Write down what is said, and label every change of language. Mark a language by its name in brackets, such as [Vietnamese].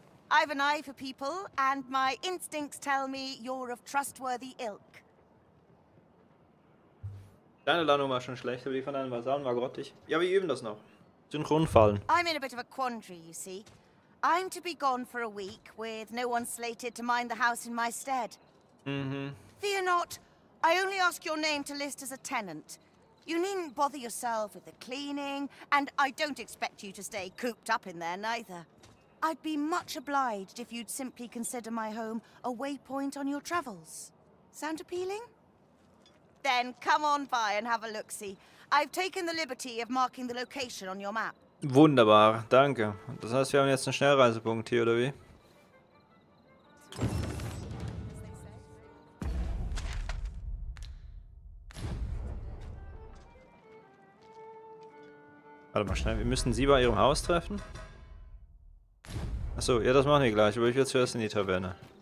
[English] I have an eye for people, and my instincts tell me you're of trustworthy ilk. [German] Deine Landung war schon schlecht, aber die von deinen Vasallen war grottig. Ja, wir üben das noch. Synchronfallen. [English] I'm in a bit of a quandary, you see. I'm to be gone for a week, with no one slated to mind the house in my stead. Mm-hmm. Fear not. I only ask your name to list as a tenant. You needn't bother yourself with the cleaning, and I don't expect you to stay cooped up in there, neither. I'd be much obliged if you'd simply consider my home a waypoint on your travels. Sound appealing? Then come on by and have a look-see. I've taken the liberty of marking the location on your map. [German] Wunderbar, danke. Das heißt, wir haben jetzt einen Schnellreisepunkt hier, oder wie? Warte mal schnell, wir müssen sie bei ihrem Haus treffen. Achso, ja, das machen wir gleich, aber ich will zuerst in die Taverne.